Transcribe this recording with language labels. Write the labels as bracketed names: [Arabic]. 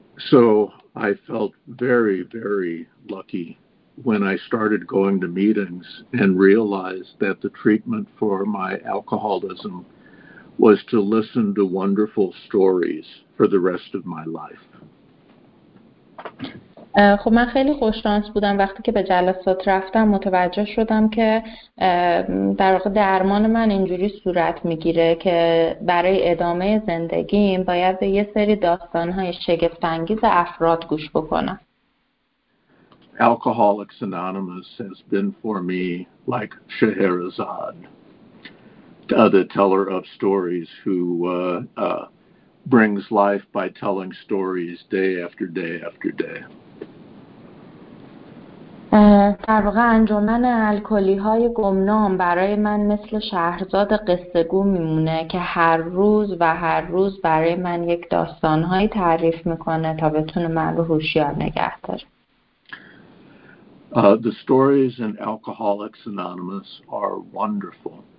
[English] So I felt very very lucky when I started going to meetings and realized that the treatment for my alcoholism was to listen to wonderful stories for the rest of my life. [Persian] خب من خیلی خوششانس بودم وقتی که به جلسات رفتم متوجه شدم که در واقع درمان من اینجوری صورت میگیره که برای ادامه زندگیم باید به یه سری داستانهای شگفت انگیز افراد گوش بکنم. [English] Alcoholics Anonymous has been for me like Scheherazade, the teller of stories who brings life by telling stories day after day after day. [Persian] در واقع انجمن الکلی های گمنام برای من مثل شهرزاد قصه گو میمونه که هر روز و هر روز برای من یک داستان های تعریف میکنه تا بتونه من رو هوشیار نگه داره. [English] The stories in Alcoholics Anonymous are wonderful.